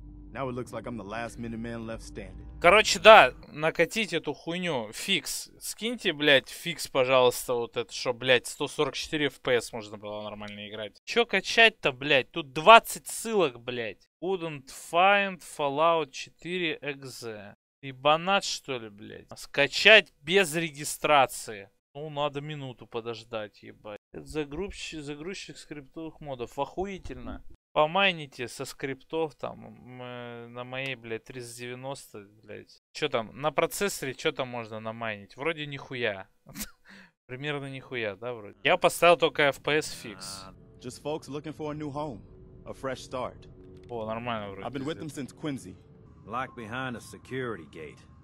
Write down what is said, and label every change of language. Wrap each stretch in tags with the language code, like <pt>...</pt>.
<en>Now it looks like I'm the last Miniman left standing.</en> <ru>Короче, да, накатить эту хуйню. Фикс. Скиньте, блядь, фикс, пожалуйста, вот это, что, блядь, 144 FPS можно было нормально играть. Чё качать-то, блядь? Тут 20 ссылок, блядь.</ru> <en>Couldn't find Fallout 4 exe.</en> <ru>Ебанат, что ли, блядь? Скачать без регистрации. Ну, надо минуту подождать, ебать. Это загрузчик скриптовых модов. Охуительно. Помайните со скриптов там на моей, блядь, 390, блядь. Чё там, на процессоре чё там можно намайнить? Вроде нихуя. Примерно нихуя, да, вроде? Я поставил только FPS fix.</ru> <en>Just folks looking for a new home. A fresh start.</en> <ru>О, нормально вроде.</ru> <en>I've been with them since Quincy. Locked behind a security gate.</en>